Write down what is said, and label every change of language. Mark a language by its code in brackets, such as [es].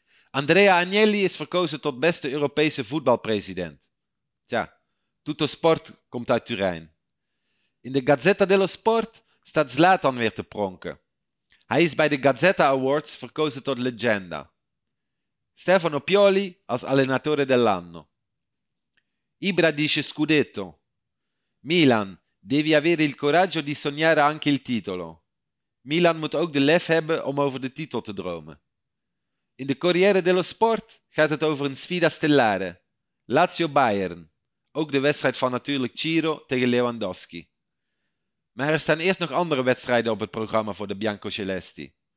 [nl] Andrea Agnelli is verkozen tot beste Europese voetbalpresident. Tja, Tutto Sport komt uit Turijn. In de Gazzetta dello Sport staat Zlatan weer te pronken. Hij is bij de Gazzetta Awards verkozen tot legenda. [it] Stefano Pioli als allenatore dell'anno. Ibra dice Scudetto. Milan, devi avere il coraggio di sognare anche il titolo. [nl] Milan moet ook de lef hebben om over de titel te dromen. In de Corriere dello Sport gaat het over een [it] sfida stellare. [nl] Lazio-Bayern. Ook de wedstrijd van natuurlijk Ciro tegen Lewandowski. Maar er staan eerst nog andere wedstrijden op het programma voor de Biancocelesti.